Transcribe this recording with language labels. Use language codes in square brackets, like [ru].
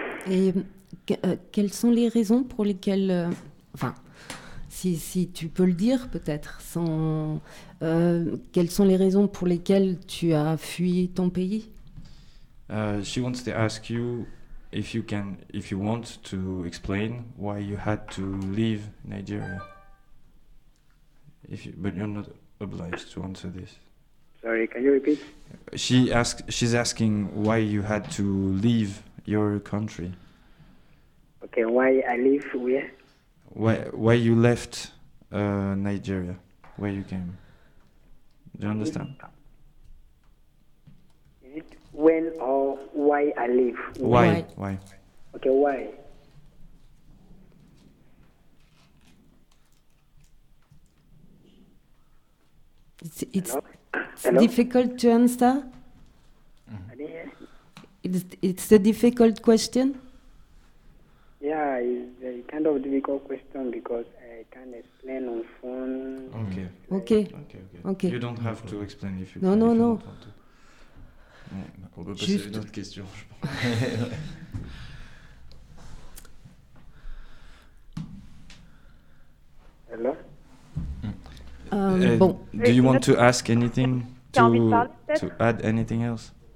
[fr] Et quelles sont les raisons pour lesquelles... Enfin, si tu peux le dire, peut-être, sans... quelles sont les raisons pour lesquelles tu as fui ton pays? [en] She wants to ask you... if you want to explain why you had to leave Nigeria, but you're not obliged to answer this. Sorry, can you repeat? She's asking why you had to leave your country. Okay, why I leave where? Why you left Nigeria, where you came? Do you understand? When or why I leave? Why? Okay, why? It's difficult to answer. Mm-hmm. It's a difficult question. Yeah, it's a kind of difficult question because I can't explain on phone. Okay. You don't have to explain if you no, can, no, if no. You don't want to. [fr] Ouais, on peut passer juste... à une autre question, je pense. [en] Hello? [fr] Bon. [en] Do you want to ask anything? To add anything else?